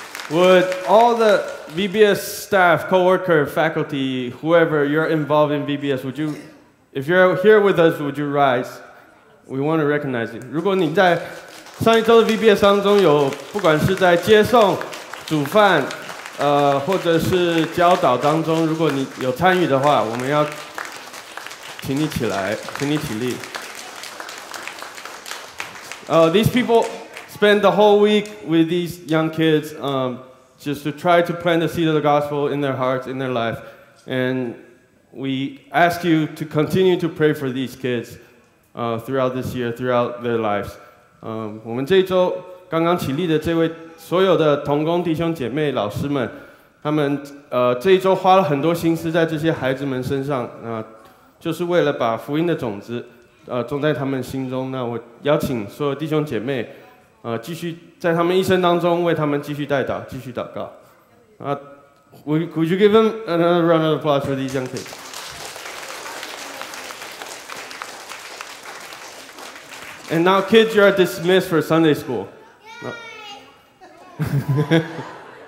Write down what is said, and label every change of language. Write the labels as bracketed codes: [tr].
[en] Would all the VBS staff, co-worker, faculty, whoever, you're involved in VBS, would you, if you're here with us, would you rise? We want to recognize you. [zh] 如果你在上一周的 VBS 当中有，不管是在接送、煮饭，或者是教导当中，如果你有参与的话，我们要请你起来，请你起立。 [en] These people spend the whole week with these young kids, just to try to plant the seed of the gospel in their hearts, in their life. And we ask you to continue to pray for these kids throughout this year, throughout their lives. [zh] 我们这一周刚刚起立的这位所有的同工弟兄姐妹老师们，他们这一周花了很多心思在这些孩子们身上，就是为了把福音的种子种在他们心中。那我邀请所有弟兄姐妹继续在他们一生当中为他们继续代祷，继续祷告。 [en] Would you give them another round of applause for these young kids? And now, kids, you are dismissed for Sunday school.